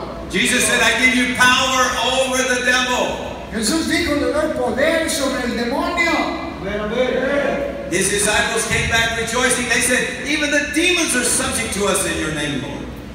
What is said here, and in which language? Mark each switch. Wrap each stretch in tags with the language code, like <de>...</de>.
<en>Jesus said, I give you power over the devil.</en> <es>Jesús dijo, le doy poder sobre el demonio.</es> <en>His disciples came back rejoicing. They said, even the demons are subject to us in your name, Lord.</en>